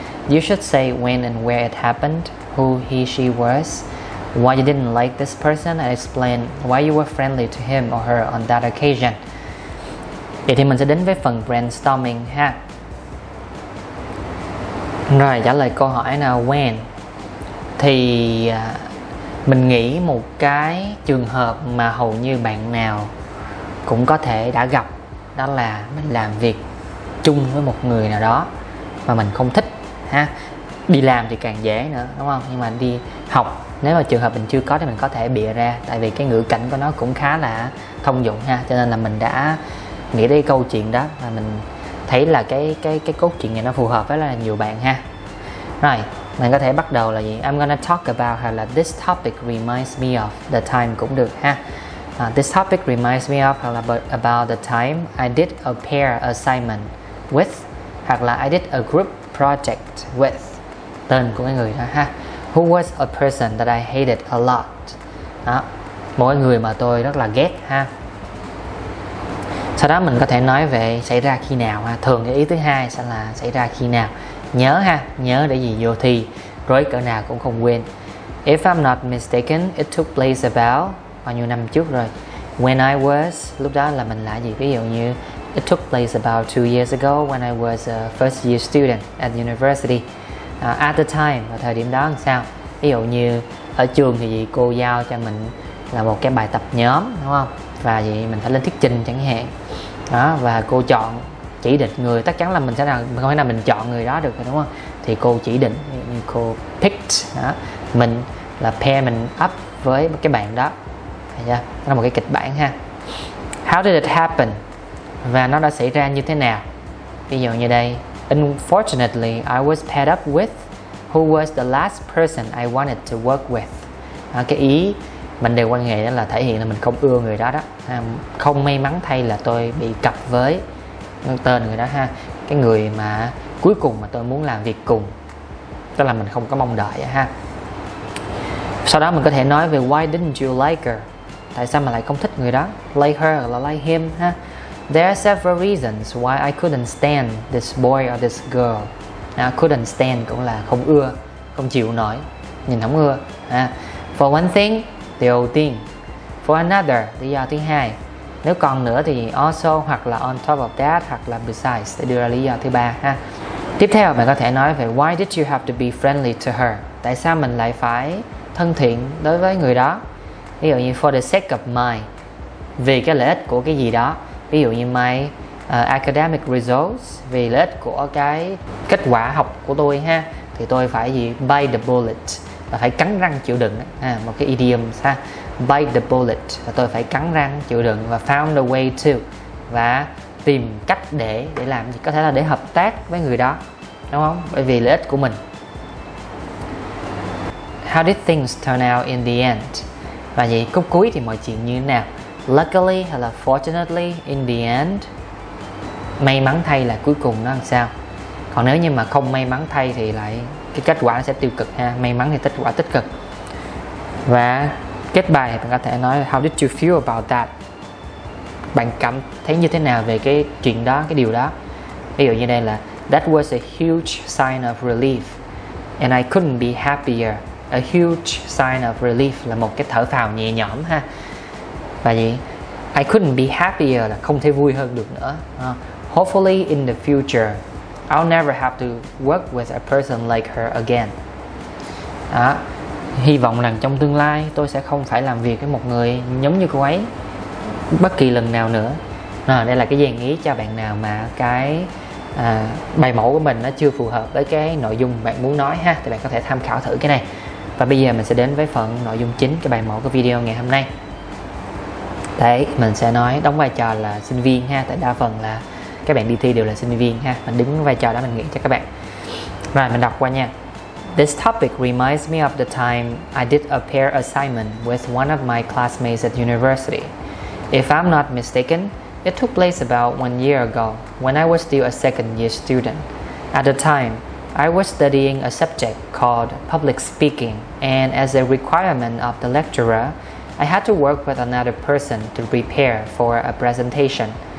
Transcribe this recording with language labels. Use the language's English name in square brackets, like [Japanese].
[English] You should say when and where it happened, who he she was, why you didn't like this person, and explain why you were friendly to him or her on that occasion. [Vietnamese] Vậy thì mình sẽ đến với phần brainstorming ha. Rồi, trả lời câu hỏi nào. When thì mình nghĩ một cái trường hợp mà hầu như bạn nào cũng có thể đã gặp, đó là mình làm việc chung với một người nào đó mà mình không thích ha. Đi làm thì càng dễ nữa đúng không, nhưng mà đi học, nếu mà trường hợp mình chưa có thì mình có thể bịa ra, tại vì cái ngữ cảnh của nó cũng khá là thông dụng ha. Cho nên là mình đã nghĩ tới câu chuyện đó và mình thấy là cái cốt truyện này nó phù hợp với là nhiều bạn ha. Rồi, mình có thể bắt đầu là gì? [English] I'm gonna talk about, [Vietnamese] hay là [English] this topic reminds me of the time [Vietnamese] cũng được ha. [English] This topic reminds me of, [Vietnamese] hoặc là [English] about the time I did a pair assignment with, hoặc là I did a group project with. [Vietnamese] Tên của cái người đó ha. [English] Who was a person that I hated a lot? [Vietnamese] Đó, một cái người mà tôi rất là ghét ha. Sau đó mình có thể nói về xảy ra khi nào ha. Thường cái ý thứ hai sẽ là xảy ra khi nào. Nhớ ha, nhớ để gì vô thì rối cỡ nào cũng không quên. [English] If I'm not mistaken, it took place about [Vietnamese] bao nhiêu năm trước rồi. [English] When I was, [Vietnamese] lúc đó là mình là gì? Ví dụ như [English] it took place about 2 years ago when I was a first year student at university. At the time, [Vietnamese] vào thời điểm đó làm sao? Ví dụ như ở trường thì gì, cô giao cho mình là một cái bài tập nhóm đúng không? Và vậy mình phải lên thuyết trình chẳng hạn đó, và cô chọn chỉ định người, chắc chắn là mình sẽ nào không thể nào mình chọn người đó được rồi, đúng không? Thì cô chỉ định, cô picked đó, mình là pair mình up với cái bạn đó. Thấy chưa? Đó là một cái kịch bản ha. [English] How did it happen? [Vietnamese] Và nó đã xảy ra như thế nào? Ví dụ như đây, [English] unfortunately I was paired up with who was the last person I wanted to work with. [Vietnamese] Đó, cái ý mình đều quan hệ đó là thể hiện là mình không ưa người đó đó. Không may mắn thay là tôi bị cặp với tên người đó ha. Cái người mà cuối cùng mà tôi muốn làm việc cùng, tức là mình không có mong đợi ha. Sau đó mình có thể nói về [English] why didn't you like her? [Vietnamese] Tại sao mà lại không thích người đó? [English] Like her or like him ha. There are several reasons why I couldn't stand this boy or this girl. [Vietnamese] Now, couldn't stand cũng là không ưa, không chịu nổi, nhìn không ưa ha. [English] For one thing, the old thing. For another, [Vietnamese] lý do thứ hai. Nếu còn nữa thì also, hoặc là on top of that, hoặc là besides, để đưa ra lý do thứ ba ha. Tiếp theo mình có thể nói về [English] why did you have to be friendly to her? [Vietnamese] Tại sao mình lại phải thân thiện đối với người đó? Ví dụ như [English] for the sake of my, [Vietnamese] vì cái lợi ích của cái gì đó. Ví dụ như [English] my academic results, [Vietnamese] vì lợi ích của cái kết quả học của tôi ha, thì tôi phải gì, [English] bite the bullet, [Vietnamese] là phải cắn răng chịu đựng ha. Một cái idiom ha, [English] bite the bullet, [Vietnamese] là tôi phải cắn răng chịu đựng, và [English] found a way to, [Vietnamese] và tìm cách để làm gì, có thể là để hợp tác với người đó đúng không, bởi vì lợi ích của mình. [English] How did things turn out in the end? [Vietnamese] Và vậy cúp cuối thì mọi chuyện như thế nào? Luckily hay là [English] fortunately, in the end, [Vietnamese] may mắn thay là cuối cùng nó làm sao. Còn nếu như mà không may mắn thay thì lại cái kết quả nó sẽ tiêu cực ha. May mắn thì kết quả tích cực. Và kết bài thì bạn có thể nói [English] how did you feel about that? [Vietnamese] Bạn cảm thấy như thế nào về cái chuyện đó, cái điều đó? Ví dụ như đây là [English] that was a huge sign of relief and I couldn't be happier. A huge sign of relief [Vietnamese] là một cái thở phào nhẹ nhõm ha. Và gì? [English] I couldn't be happier [Vietnamese] là không thể vui hơn được nữa. [English] Hopefully in the future I'll never have to work with a person like her again. Đó. [Vietnamese] Hy vọng rằng trong tương lai tôi sẽ không phải làm việc với một người giống như cô ấy bất kỳ lần nào nữa. À, đây là cái dàn ý cho bạn nào mà cái bài mẫu của mình nó chưa phù hợp với cái nội dung bạn muốn nói ha, thì bạn có thể tham khảo thử cái này. Và bây giờ mình sẽ đến với phần nội dung chính cái bài mẫu của video ngày hôm nay. Đấy, mình sẽ nói đóng vai trò là sinh viên ha, tại đa phần là các bạn đi thi đều là sinh viên ha. Mình đứng vai trò đó mình nghĩ cho các bạn. Rồi, mình đọc qua nha. [English] This topic reminds me of the time I did a pair assignment with one of my classmates at university. If I'm not mistaken, it took place about 1 year ago when I was still a second year student. At the time, I was studying a subject called public speaking, and as a requirement of the lecturer, I had to work with another person to prepare for a presentation.